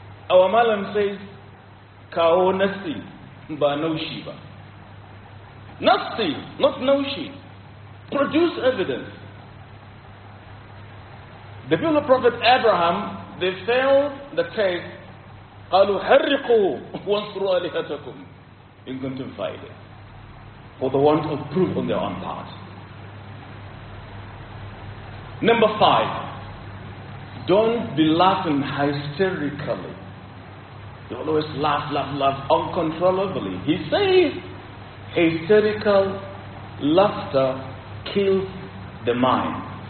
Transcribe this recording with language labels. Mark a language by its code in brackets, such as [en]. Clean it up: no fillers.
[en] Our malam says kao nasi ba nawshiba. Nasi, not nawshi. Produce evidence. The people of Prophet Abraham, they failed the test [ar] قالوا حرقوه وانصروا آلهتكم إن كنتم فاعلين. [en] For the want of proof on their own part. Number five, don't be laughing hysterically. You always laugh uncontrollably. He says, hysterical laughter kills the mind.